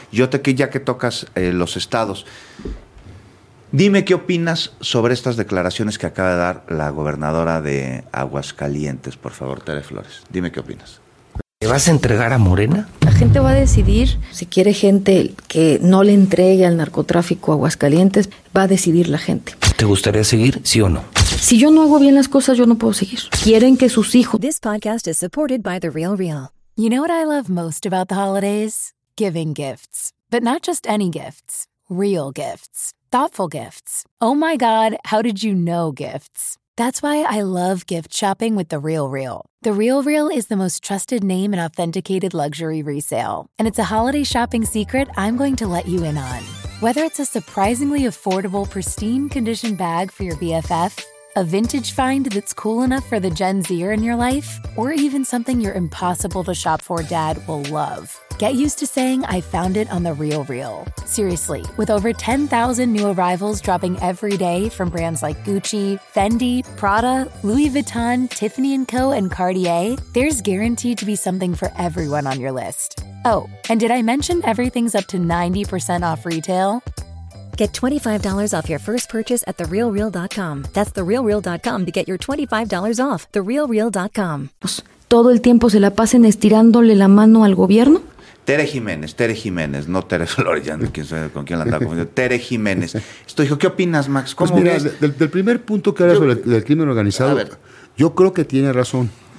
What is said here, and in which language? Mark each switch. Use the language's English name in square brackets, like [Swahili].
[Spanish] Ya que tocas los estados, dime qué opinas sobre estas declaraciones que acaba de dar la gobernadora de Aguascalientes, por favor, Tere Flores. Dime qué opinas. ¿Te vas a entregar a Morena? La gente va a decidir si quiere gente que no le entregue al narcotráfico a Aguascalientes. Va a decidir la gente. ¿Te gustaría seguir, sí o no? Si yo no hago bien las cosas, yo no puedo seguir. Quieren que sus hijos... [English] This podcast is supported by The Real Real. You know what I love most about the holidays? Giving gifts. But not just any gifts. Real gifts. thoughtful gifts. Oh my God, how did you know gifts? That's why I love gift shopping with The RealReal. The RealReal is the most trusted name in authenticated luxury resale. And it's a holiday shopping secret I'm going to let you in on. Whether it's a surprisingly affordable, pristine condition bag for your BFF, a vintage find that's cool enough for the Gen Zer in your life, or even something your impossible to shop for dad will love. Get used to saying, I found it on The RealReal. Seriously, with over 10,000 new arrivals dropping every day from brands like Gucci, Fendi, Prada, Louis Vuitton, Tiffany & Co., and Cartier, there's guaranteed to be something for everyone on your list. Oh, and did I mention everything's up to 90% off retail? Get $25 off your first purchase at TheRealReal.com. That's TheRealReal.com to get your $25 off. TheRealReal.com. [Spanish] ¿Todo el tiempo se la pasen estirándole la mano al gobierno? Tere Jiménez, no Tere Flores, ya no quién sabe con quién la está confundiendo. Tere Jiménez. Esto dijo, ¿qué opinas, Max? ¿Cómo pues mira, del primer punto que habla sobre el crimen organizado, yo creo que tiene razón.